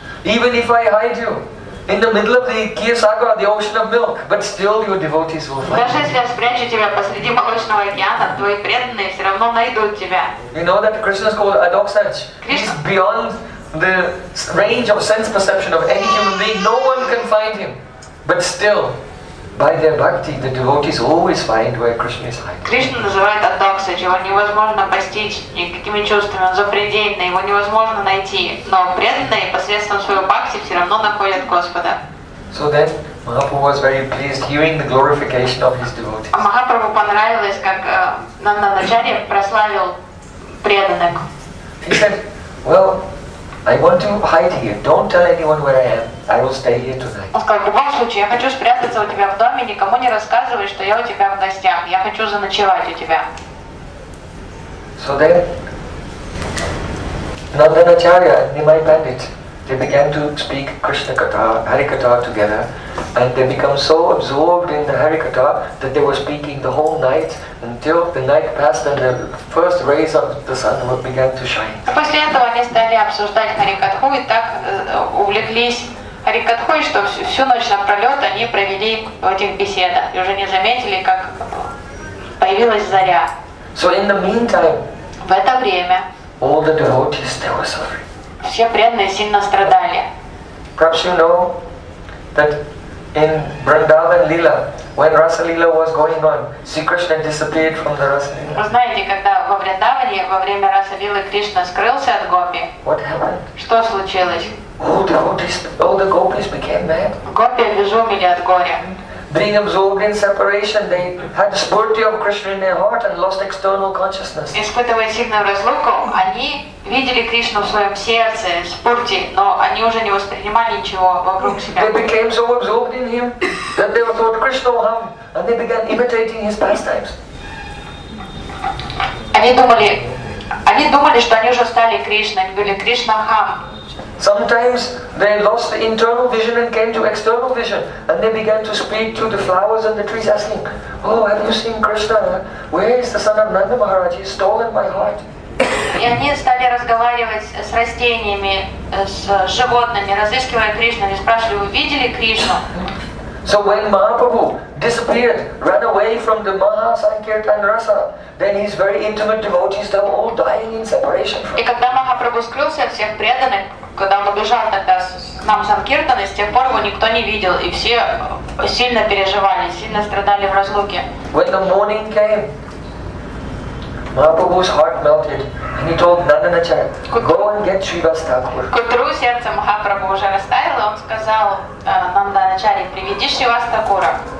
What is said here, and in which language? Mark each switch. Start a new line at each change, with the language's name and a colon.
English: Even if I hide you in the middle of the Kiyasagra, the ocean of milk, but still your devotees will find you.
Russian: Даже если я спрячу тебя посреди молочного океана, твои преданные все равно найдут тебя.
English: You know that Krishna is called Adoksaj. He's beyond the range of sense perception of any human being. No one can find him. But still, by their bhakti, the devotees always find where Krishna is hiding.
Russian: Krishna называет Адоксаджи, его невозможно постичь никакими чувствами, он запредельный, его невозможно найти. Но преданные посредством своего бхакти все равно находят Господа.
English: So then, Mahaprabhu was very pleased hearing the glorification of his devotees.
Russian: А Махапрабху понравилось, как Нанданачарья прославил преданных.
English: He said, well, I want to hide here. Don't tell anyone where I am. I will stay here tonight.
Russian: Он сказал, в любом случае, я хочу спрятаться у тебя в доме, никому не рассказывай, что я у тебя в гостях. Я хочу заночевать у тебя.
English: So then, Nandana Acharya and Nimai Pandit, they began to speak Krishna Katha, Harikatha together, and they become so absorbed in the Harikatha that they were speaking the whole night until the night passed and the first rays of the sun began to shine.
Russian: После этого они стали обсуждать Харикатху и так увлеклись Харикатхой, что всю ночь напролет они провели в этих беседах и уже не заметили, как появилась заря.
English: So in the meantime,
Russian: в это время
English: all the devotees, they were suffering.
Russian: Все преданные сильно страдали.
English: Perhaps you know that in Vrindavan Lila, when Rasa Lila was going on, see Krishna disappeared from the Rasa Lila.
Russian: Вы знаете, когда во Вриндаване, во время Раса Лилы, Кришна скрылся от гопи?
English: What happened?
Russian: Что случилось?
English: All the gopis became mad.
Russian: Гопи обезумели от горя.
English: Being absorbed in separation, they had spurti of Krishna in their heart and lost external consciousness.
Russian: Испытывая сильную разлуку, они видели Кришну в своем сердце, спурти, но они уже не воспринимали ничего вокруг себя.
English: They became so absorbed in him that they thought Krishna hum, and they began imitating his pastimes.
Russian: Они думали, что они уже стали Кришной, они были Кришна хам.
English: Sometimes they lost the internal vision and came to external vision, and they began to speak to the flowers and the trees, asking, "Oh, have you seen Krishna? Where is the son of Nanda Maharaj? He's stolen my heart."
Russian: И они стали разговаривать с растениями, с животными, разыскивая Кришну. Они спрашивали: "Вы видели Кришну?"
English: So when Mahaprabhu disappeared, ran away from the Mahasankirtan Rasa, then his very intimate devotees, they were all dying in separation.
Russian: И когда Махапрабху скрылся от всех преданных, когда он убежал тогда с нам Санкиртаны, с тех пор его никто не видел, и все сильно переживали, сильно страдали в разлуке.
English: When the morning came, Mahaprabhu's heart melted, and he told Nandanachar, "Go and get Sri Vastakur."
Russian: К утру сердце Махапрабху уже растаяло, он сказал Нанданачаре, "Приведи Шри Вастакура."